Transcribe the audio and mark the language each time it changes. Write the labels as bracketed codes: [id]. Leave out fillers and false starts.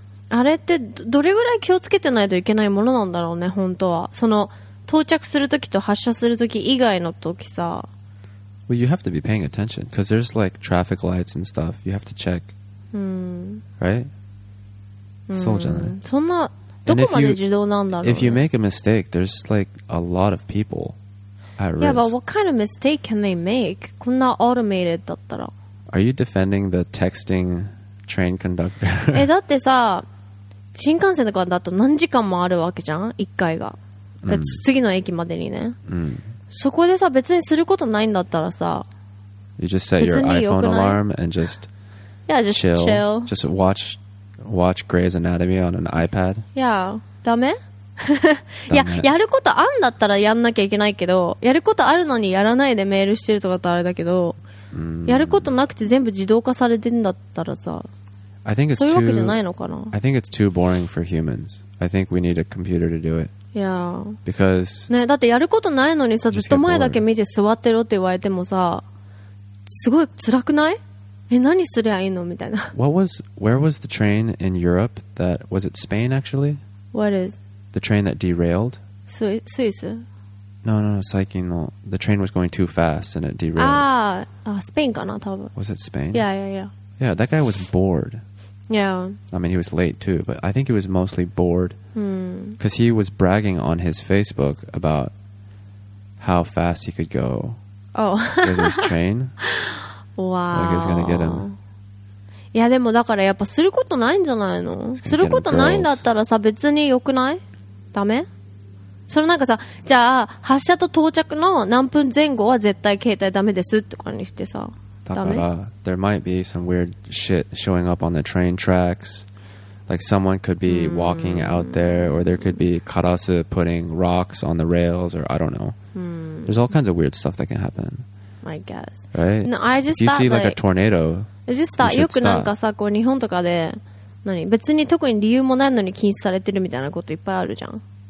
[ja] あれってどれぐらい気をつけてないといけないものなんだろうね、本当は。その到着するときと発車するとき以外のときさ。 [en] Well, you have to be paying attention because there's like traffic lights and stuff. You have to check.、 Mm. [ja] Right?、Mm. そうじゃない。そんな、どこまで自動なんだろう、ね、 [en] If you make a mistake, there's like a lot of people at risk. Yeah, but what kind of mistake can they make? [ja] こんな automated だったら。 [en] Are you defending the texting train conductor? [ja] え、だってさ、新幹線とかだと何時間もあるわけじゃん、一回が。次の駅までにね。うん。そこでさ、別にすることないんだったらさ、 [en] You just set your iPhone alarm and just, yeah, just chill. Chill. Just watch Grey's Anatomy on an iPad. [ja] Yeah, ダメ？いや、やることあんだったらやんなきゃいけないけど、やることあるのにやらないでメールしてるとかってあれだけど、やることなくて全部自動化されてんだったらさ、 [en] I think it's [ja] そういうわけじゃないのかな。 [en] I think it's too boring for humans. I think we need a computer to do it. Yeah. Because [ja] ね、だってやることないのにさ、ずっと前だけ見て座ってろって言われてもさ、すごい辛くない？え、何すりゃいいのみたいな。 [en] What was, where was the train in Europe that, was it Spain actually? What is? The train that derailed? [ja] スイス？ No, 最近の。 [en] The train was going too fast and it derailed. [ja] スペインかな、多分。 [en] Was it Spain? Yeah. Yeah, that guy was bored. Yeah. I mean, he was late too, but I think he was mostly bored. Because he was bragging on his Facebook about how fast he could go. Oh. with his train. Wow. Like, he's going to get him. [ja] いやでもだからやっぱすることないんじゃないの？することないんだったらさ、別に良くない？ダメ？それなんかさ、じゃあ発車と到着の何分前後は絶対携帯ダメですとかにしてさ。だから [en] there might be some weird shit showing up on the train tracks. Like someone could be walking out there, or there could be karasu putting rocks on the rails, or I don't know. There's all kinds of weird stuff that can happen. I guess. Right? No, I just If you see like a tornado, I just thought you should [ja] よくなんかさ、こう日本とかで何別に特に理由もないのに禁止されてるみたいなこといっぱいあるじゃん。